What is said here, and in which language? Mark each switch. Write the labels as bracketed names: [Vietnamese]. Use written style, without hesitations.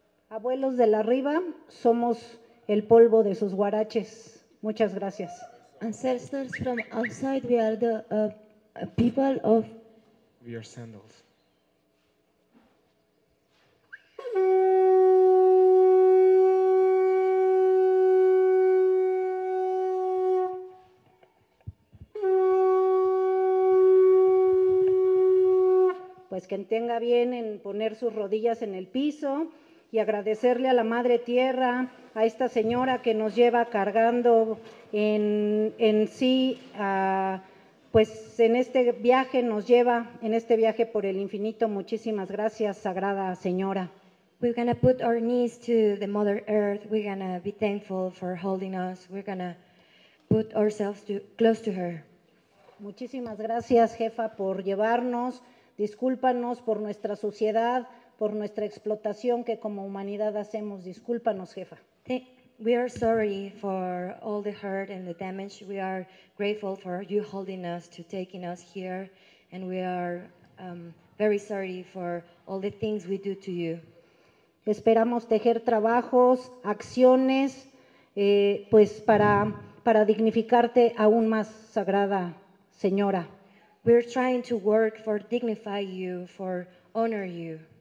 [Spanish] Abuelos del arriba, somos el polvo de sus huaraches. Muchas gracias. [English] Ancestors from outside, we are the people of. We are sandals. [Spanish] Pues quien tenga bien en poner sus rodillas en el piso y agradecerle a la Madre Tierra, a esta señora que nos lleva cargando en este viaje por el infinito. Muchísimas gracias, Sagrada Señora. [English] We're gonna put our knees to the Mother Earth. We're gonna be thankful for holding us. We're gonna put ourselves close to her. [Spanish] Muchísimas gracias, jefa, por llevarnos. Discúlpanos por nuestra suciedad, por nuestra explotación que como humanidad hacemos. Discúlpanos, jefa. [English] We are sorry for all the hurt and the damage. We are grateful for you holding us, to taking us here, and we are very sorry for all the things we do to you. [Spanish] Esperamos tejer trabajos, acciones, pues para dignificarte aún más, Sagrada Señora. [English] We're trying to work for dignify you, for honor you.